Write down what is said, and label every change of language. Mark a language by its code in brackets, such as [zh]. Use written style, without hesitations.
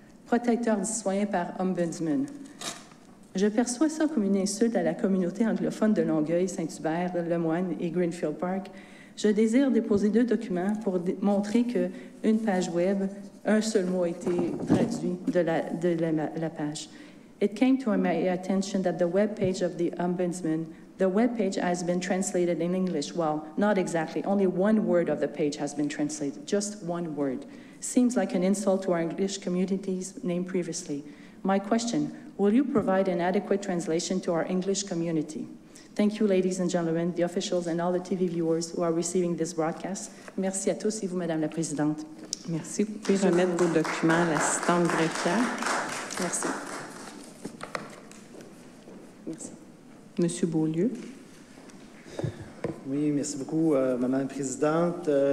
[fr] Protecteur du citoyen par Ombudsman. Je perçois ça comme une insulte à la communauté anglophone de Longueuil, Saint-Hubert, Lemoine et Greenfield Park. Je désire déposer deux documents pour montrer qu'une page web, un seul mot a été traduit de la page. [en] It came to my attention that the web page of the Ombudsman, the web page has been translated in English. Well, not exactly. Only one word of the page has been translated. Just one word. Seems like an insult to our English communities named previously. My question, will you provide an adequate translation to our English community? Thank you, ladies and gentlemen, the officials and all the TV viewers who are receiving this broadcast. [fr] Merci à tous et vous, Madame la Présidente. Merci. Vous pouvez remettre vos documents à l'assistante greffière. Merci. Merci. Monsieur Beaulieu. Oui, merci beaucoup, Madame la Présidente.